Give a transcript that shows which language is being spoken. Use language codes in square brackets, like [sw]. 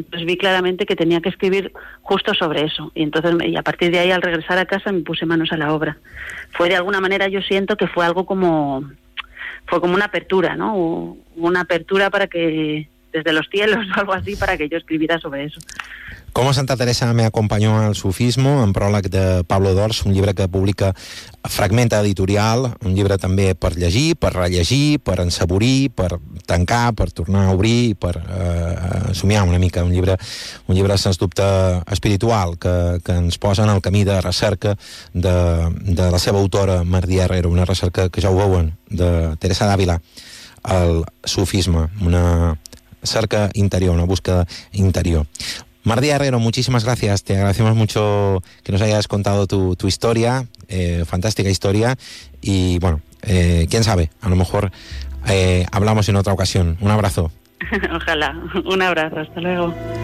[es] Entonces vi claramente que tenía que escribir justo sobre eso, y a partir de ahí, al regresar a casa, me puse manos a la obra. Fue, de alguna manera, yo siento que fue algo como, fue como una apertura, ¿no? Una apertura para que, desde los cielos o algo así, para que yo escribiera sobre eso. [ca] Com Santa Teresa me acompanyó al sufismo, en pròleg de Pablo Dors, un llibre que publica Fragmenta Editorial, un llibre també per llegir, per rellegir, per ensaborir, per tancar, per tornar a obrir, per somiar una mica, un llibre sens dubte espiritual que ens posa en el camí de recerca de la seva autora, Mardia Herrero, una recerca que ja ho veuen, de Teresa d'Àvila, al sufisme, una cerca interior, [es] una búsqueda interior. Mardia Herrero, muchísimas gracias. Te agradecemos mucho que nos hayas contado tu historia, fantástica historia. Y bueno, quién sabe, a lo mejor hablamos en otra ocasión. Un abrazo. Ojalá. Un abrazo. Hasta luego.